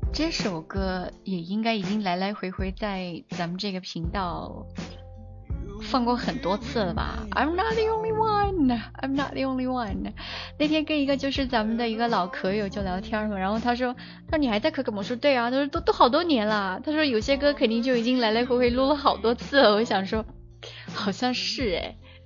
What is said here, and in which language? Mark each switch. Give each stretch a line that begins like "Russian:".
Chinese: 首歌也应该已经来来回回在咱们这个频道放过很多次了吧。
English: I'm not the only one, I'm not the only one。
Chinese: 那天跟一个就是咱们的一个老壳友就聊天嘛，然后他说你还在可可吗？我说对啊，他说都好多年了，他说有些歌肯定就已经来来回回录了好多次了。我想说好像是诶。